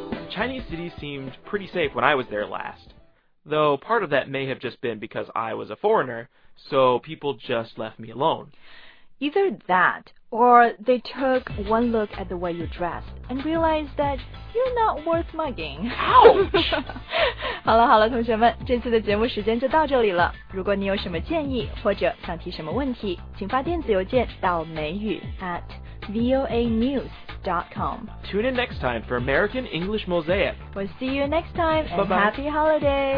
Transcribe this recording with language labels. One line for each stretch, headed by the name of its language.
English: Chinese cities seemed pretty safe when I was there last, though part of that may have just been because I was a foreigner, so people just left me alone. Either that, or they took one look at the way you dressed and realized that you're not worth mugging. Ouch!
Chinese: 好了好了同学们这次的节目时间就到这里了如果你有什么建议或者想提什么问题请发电子邮件到美语 @voanews.com
English: Tune in next time for American English Mosaic We'll see you next time and happy holidays